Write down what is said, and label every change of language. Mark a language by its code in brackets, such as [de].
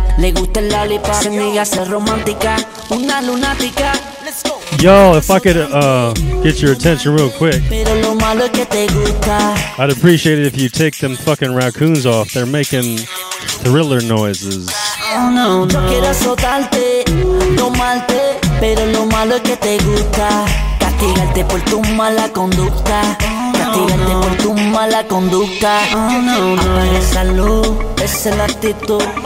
[es] Le gusta el lollipop, se niega a ser romántica. Una lunática. [en] Yo, if I could get your attention real quick, [es] pero lo malo es que te gusta. [en] I'd appreciate it if you take them fucking raccoons off. They're making thriller noises. Oh, no, no. [es] Yo quiero azotarte, tomarte, pero lo malo es que te gusta castigarte por tu mala conducta. Castigarte por tu mala conducta. Apaga esa luz, esa es la actitud.